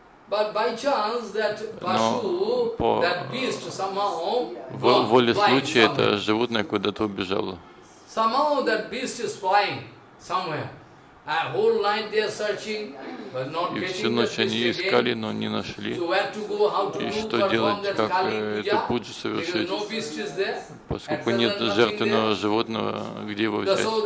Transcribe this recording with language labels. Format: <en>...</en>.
<en>But by chance that Pashu, that beast somehow,</en> <ru>воле случая это животное куда-то убежало.</ru> <en>Somehow that beast is flying somewhere. A whole night they are searching, but not getting the beast again.</en> <ru>И всю ночь они искали, но не нашли.</ru> <en>So where to go? How to move?</en> <ru>И что делать, как это будет совершить?</ru> <en>Because no beast is there.</en> <ru>Поскольку нет жертвенного животного, где его взять?</ru>